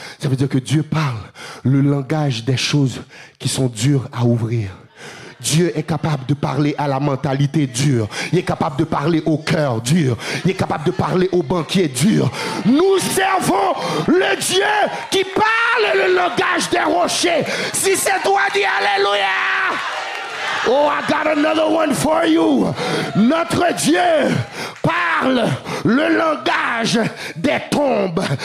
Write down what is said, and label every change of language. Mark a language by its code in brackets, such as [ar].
[fr] Ça veut dire que Dieu parle le langage des choses qui sont dures à ouvrir. Dieu est capable de parler à la mentalité dure. Il est capable de parler au cœur dur. Il est capable de parler au banquier dur. Nous servons le Dieu qui parle le langage des rochers. Si c'est toi, dis alléluia. [en] Oh, I got another one for you. [fr] Notre Dieu parle le langage des tombes.